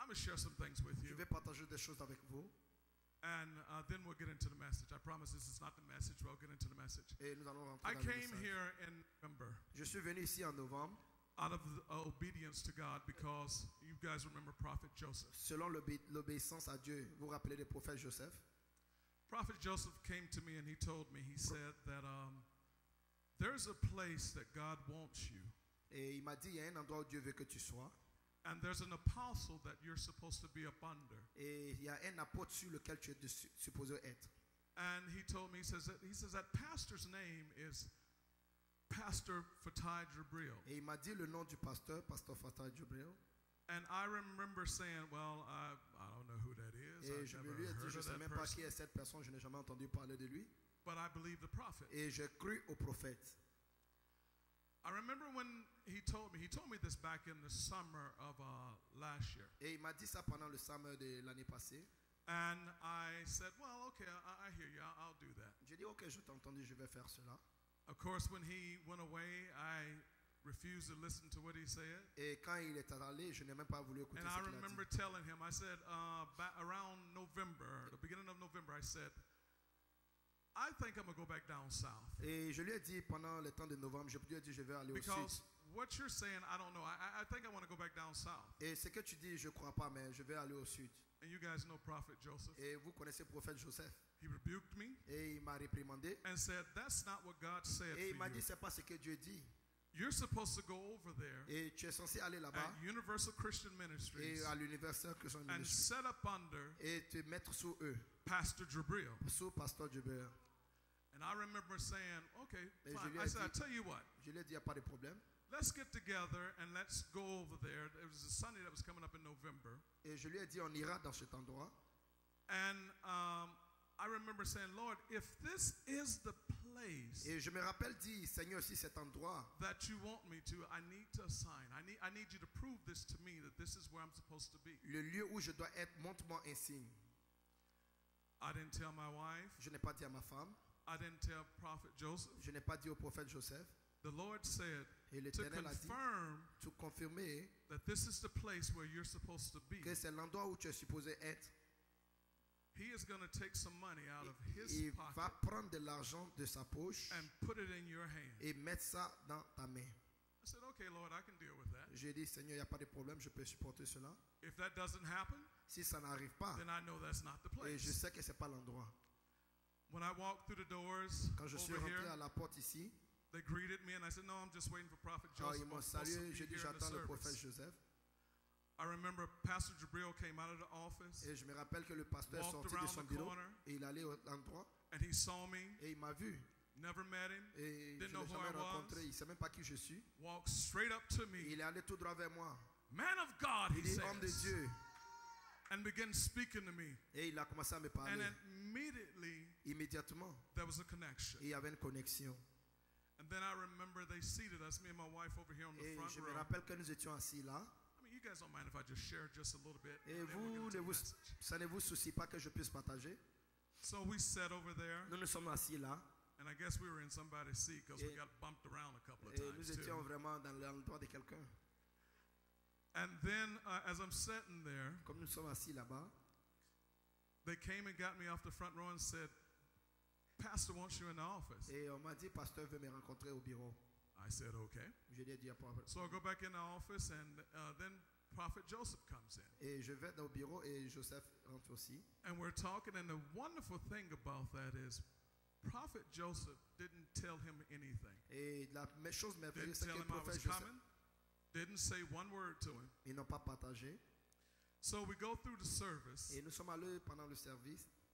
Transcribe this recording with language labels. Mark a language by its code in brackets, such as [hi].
[en] I'm going to share some things with you. [fr] Je vais partager des choses avec vous. [en] And then we'll get into the message. I promise this is not the message. We'll get into the message. [fr] Et nous allons rentrer dans le message. [en] I came here in November. [fr] Je suis venu ici en novembre. [en] Out of the obedience to God, because you guys remember Prophet Joseph. [fr] Selon l'obéissance à Dieu, vous vous rappelez le prophète Joseph? [en] Prophet Joseph came to me and he told me. He said that there's a place that God wants you. [fr] Et il m'a dit, il y a un endroit où Dieu veut que tu sois. [en] And there's an apostle that you're supposed to be up under. [fr] Et il y a un apôtre sur lequel tu es supposé être. [en] And he told me, he says that pastor's name is Pastor Fatai Jibril. [fr] Et il m'a dit le nom du pasteur, Pastor Fatai Jibril. [en] And I remember saying, well, I don't know who that is. [fr] Et [en] I've [fr] je [en] never [fr] lui ai dit, [en] heard [fr] je [en] of [fr] sais [en] that [fr] même [en] person. [fr] Pas qui est cette personne, je n'ai jamais entendu parler de lui. [en] But I believe the prophet. [fr] Et j'ai cru au prophète. [en] I remember when he told me this back in the summer of last year. [fr] Et il m'a dit ça pendant le summer de l'année passée. [en] And I said, well, okay, I hear you. I'll do that. [fr] J'ai dit OK, je t'ai entendu, je vais faire cela. [en] Of course, when he went away, I refused to listen to what he said. [fr] Et quand il est allé, je n'ai même pas voulu écouter ce qu'il a dit. [en] And I remember telling him, I said, around November, the beginning of November, I said, I think I'm going to go back down south. [fr] Et je lui ai dit pendant le temps de novembre, je lui ai dit je vais aller au sud. [en] Because what you're saying, I don't know. I think I want to go back down south. [fr] Et ce que tu dis, je crois pas, mais je vais aller au sud. [en] And you guys know Prophet Joseph. [fr] Et vous connaissez prophète Joseph. [en] He rebuked me. [fr] Et il m'a réprimandé. [en] And said that's not what God said. [fr] Et il m'a dit [en] you. [fr] C'est pas ce que Dieu dit. [en] You're supposed to go over there. [fr] Et tu es censé aller là-bas. [en] At Universal Christian Ministries. [fr] Et à l'Universal Christian Ministries. [en] And set up under. [fr] Et te mettre sous eux. [en] Pastor Jibril. [fr] Sous Pasteur Jibril. [en] And I remember saying, okay, fine. I said, I'll tell you what. [fr] Je lui ai dit, y a pas de problème. [en] Let's get together and let's go over there. It was a Sunday that was coming up in November. [fr] Et je lui ai dit, on ira dans cet endroit. [en] And I remember saying, Lord, if this is the place [fr] et je me rappelle dit, Seigneur, si cet endroit [en] that you want me to, I need to sign. I need you to prove this to me, that this is where I'm supposed to be. [fr] Le lieu où je dois être, montre-moi un signe. [en] I didn't tell my wife. [fr] Je n'ai pas dit à ma femme. [en] I didn't tell Prophet Joseph. [fr] Je n'ai pas dit au prophète Joseph. [en] The Lord said to confirm that this is the place where you're supposed to be. [fr] Que c'est l'endroit où tu es supposé être. [en] He is going to take some money out of his [fr] il [en] pocket [fr] va prendre de l'argent de sa poche [en] and put it in your hand. [fr] Et mettre ça dans ta main. [en] I said, okay, Lord, I can deal with that. [fr] J'ai dit, Seigneur, il n'y a pas de problème, je peux supporter cela. [en] If that doesn't happen, [fr] si ça n'arrive pas, [en] then I know that's not the place. [fr] Et je sais que c'est pas l'endroit. [en] When I walked through the doors, [fr] quand je suis rentré à la porte ici, [en] they greeted me and I said, "No, I'm just waiting for Prophet Joseph." [fr] Ils m'ont salué, j'ai dit, j'attends le prophète Joseph. [en] I remember Pastor Jabril came out of the office. [fr] Et je me rappelle que le pasteur est sorti de son bureau et il allait à l'endroit. [en] And he saw me. [fr] Et il m'a vu. [en] Never met him. [fr] Et [en] didn't know [fr] jamais [en] who [fr] rencontré. [en] I was. [fr] Il sait même pas qui je suis. [en] Walked straight up to me. [fr] Il est allé tout droit vers moi. [en] Man of God, he said. [fr] Homme de Dieu. [en] And began speaking to me. [fr] Et il a commencé à me parler. [en] And immediately, [fr] immédiatement, [en] there was a connection. [fr] Il y avait une connexion. [en] And then I remember they seated us, me and my wife, over here on the [fr] et [en] front row. [fr] Et je me rappelle que nous étions assis là. [en] I mean, you guys don't mind if I just share just a little bit. [fr] Et vous, ça ne vous soucie pas que je puisse partager? [en] So we sat over there. [fr] Nous nous sommes assis là. [en] And I guess we were in somebody's seat because we got bumped around a couple of times too. [fr] Et nous étions vraiment dans l'endroit de quelqu'un. [en] And then, as I'm sitting there, [fr] comme nous sommes assis là-bas, [en] they came and got me off the front row and said, "Pastor wants you in the office." [fr] Et on m'a dit, pasteur veut me rencontrer au bureau. [en] I said, "Okay." [fr] Je lui ai dit, pas. [en] So I go back in the office, and then Prophet Joseph comes in. [fr] Et je vais dans le bureau et Joseph rentre aussi. [en] And we're talking, and the wonderful thing about that is, Prophet Joseph didn't tell him anything. [fr] Et la chose merveilleuse, [en] didn't tell him [fr] prophète [en] I was [fr] Joseph [en] coming. Didn't say one word to him. [fr] Ils n'ont pas partagé. [en] So we go through the service. [fr] Et nous sommes allés pendant le service.